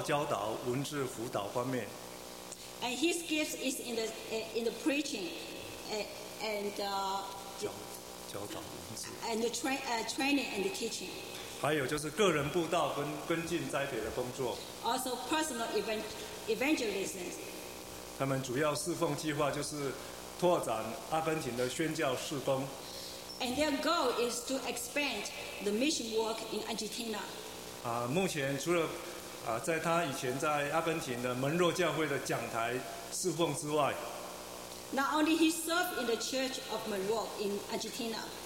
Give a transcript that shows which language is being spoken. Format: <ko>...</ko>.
<zh>陈牧师的恩赐是在讲道、教导、文字辅导方面。</zh> <en>And his gifts is in the preaching and</en> <zh>教导文字。</zh> <en>And the training and the teaching.</en> <zh>还有就是个人布道跟跟进栽培的工作。</zh> <en>Also personal evangelism.</en> <zh>他们主要侍奉计划就是拓展阿根廷的宣教事工。</zh> <en>And their goal is to expand the mission work in Argentina.</en> <zh>目前除了在他以前在阿根廷的门若教会的讲台侍奉之外。</zh> <en>Not only he served in the church of Monroe in Argentina.</en>